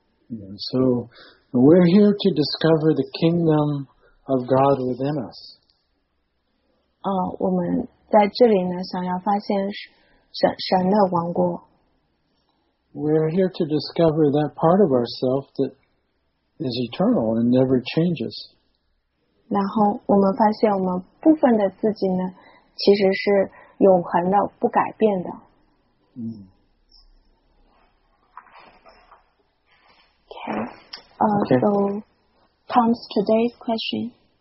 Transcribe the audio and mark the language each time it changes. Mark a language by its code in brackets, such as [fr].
[en] So we're here to discover the kingdom of God within us. [zh] 我们在这里呢，想要发现神的王国。 [en] We're here to discover that part of ourselves that. Is eternal and never changes. [zh] 然后我们发现我们部分的自己呢，其实是永恒的，不改变的。 [en] Okay. So comes today's question.